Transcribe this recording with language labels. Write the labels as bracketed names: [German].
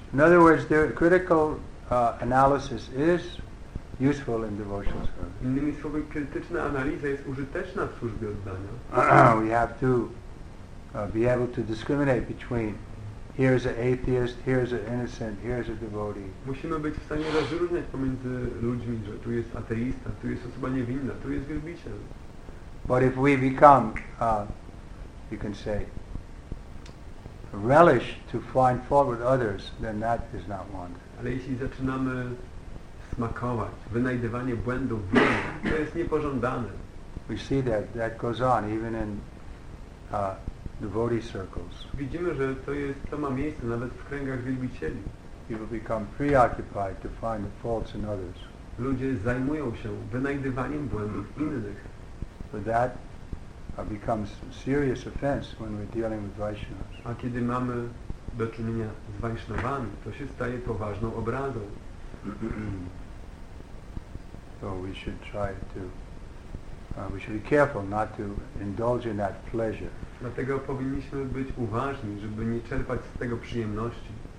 [English] In other words, the critical analysis is useful in devotional service. [Polish] Innymi słowy, krytyczna analiza jest użyteczna w służbie oddania. [English] We have to be able to discriminate between here is an atheist, here is an innocent, here is a devotee. [Polish] Musimy być w stanie rozróżniać pomiędzy ludźmi, że tu jest ateista, tu jest osoba niewinna, tu jest wielbiciel. [English] But if we become, you can say, relish to find fault with others, then that is not wanted. [Polish] Ale jeśli zaczynamy smakować, wynajdywanie błędów w innych, to jest niepożądane. [English] We see that, that goes on, even in devotee circles. [Polish] Widzimy, że to jest, to ma miejsce nawet w kręgach wielbicieli. [English] People become preoccupied to find the faults in others. [Polish] Ludzie zajmują się wynajdywaniem błędów innych. [English] But that becomes serious offense when we're dealing with Vaishnavas. [Polish] A kiedy mamy do czynienia z Vaishnavami, to się staje poważną obrazą. [English] So we should try to we should be careful not to indulge in that pleasure. [Polish] Dlatego powinniśmy być uważni, żeby nie czerpać z tego przyjemności.